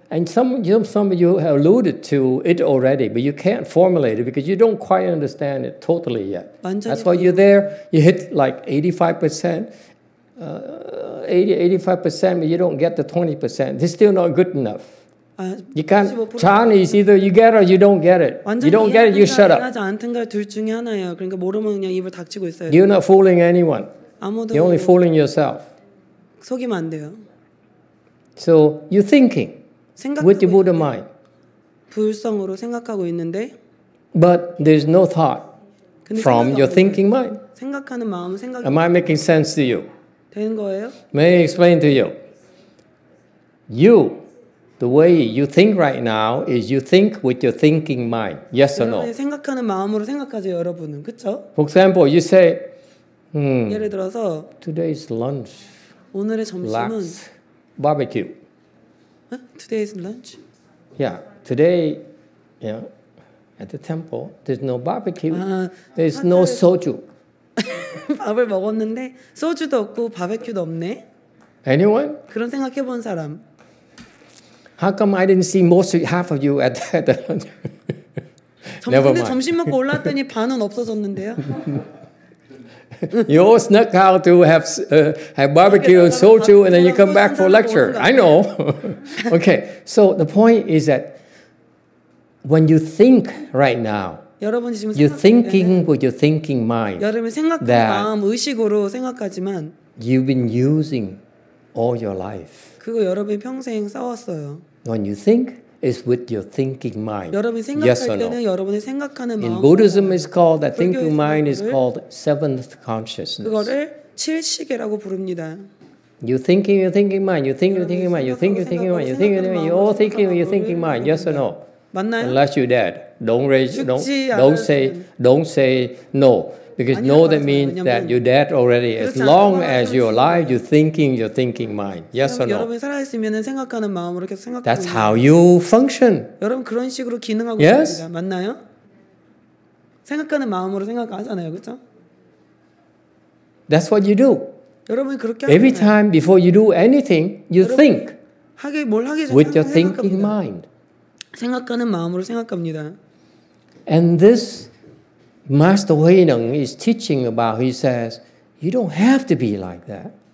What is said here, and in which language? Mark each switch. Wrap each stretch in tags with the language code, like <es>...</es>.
<en>And some of you have alluded to it already, but you can't formulate it because you don't quite understand it totally yet. That's why you're there. You hit like 85%, 85%, but you don't get the 20%. It's still not good enough. You can't. Chan is either you get it or you don't get it. You don't get it, you shut up.</en> <ko>이해하지 않든가 둘 중에 하나예요. 그러니까 모르면 그냥 입을 닥치고 있어요.</ko> <en>You're not fooling anyone.</en> <ko>아무도.</ko> <en>You're only fooling yourself.</en> <ko>속이면 안 돼요.</ko> <en>So you're thinking. With your Buddha mind.</en> <ko>불성으로 생각하고 있는데.</ko> <en>But there's no thought from your thinking mind.</en> <ko>생각하는 마음 생각.</ko> <en>Am I making sense to you?</en> <ko>되는 거예요?</ko> <en>May I explain to you? You, the way you think right now is you think with your thinking mind. Yes or no?</en> <ko>생각하는 마음으로 생각하죠 여러분은 그렇죠?</ko> <en>For example, you say.</en> <ko>예를 들어서.</ko> <en>Today's lunch.</en> <ko>오늘의 점심은.</ko> <en>Barbecue. Today is lunch. Yeah, today, yeah, at the temple, there's no barbecue. There's no soju.</en> <ko>밥을 먹었는데 소주도 없고 바베큐도 없네.</ko> <en>Anyone?</en> <ko>그런 생각해본 사람?</ko> <en>How come I didn't see most of, half of you at the lunch? Never mind.</en> <ko>점심 근데 점심 먹고 올랐더니 반은 없어졌는데요.</ko> <en>You all snuck out to have barbecue and soju, and then you come back for lecture. I know. Okay, so the point is that when you think right now, you're thinking with your thinking mind.</en> <ko>여러분 생각하는 마음 의식으로 생각하지만,</ko> <en>you've been using all your life.</en> <ko>그거 여러분 평생 싸웠어요.</ko> <en>When you think. Is with your thinking mind.</en> <ko>여러분이 생각할</ko> <en>yes or no.</en> <ko>때는 여러분이 생각하는 마음.</ko> <en>In Buddhism, it's called that thinking mind is called seventh consciousness.</en> <ko>그거를 칠시계라고 부릅니다.</ko> <en>You thinking mind. Yes or no?</en> <ko>맞나요?</ko> <en>Unless you're dead, don't raise, don't say no. Because</en> <ko>아니요,</ko> <en>no, that means that you're dead already. As long as you're alive, you're thinking mind. Yes or no?</en> <ko>여러분 살아있으면은 생각하는 마음으로 계속 생각.</ko> <en>That's how you function.</en> <ko>여러분 그런 식으로 기능하고 있습니다.</ko> <en>Yes?</en> <ko>맞나요? 생각하는 마음으로 생각하잖아요, 그렇죠?</ko> <en>That's what you do.</en> <ko>여러분이 그렇게</ko> <en>every time before you do anything, you think.</en> <ko>하게 뭘 하게</ko> <en>with your thinking mind.</en> <ko>생각하는 마음으로 생각합니다.</ko> <en>And this Master Huineng is teaching about. He says, "You don't have to be like that."</en>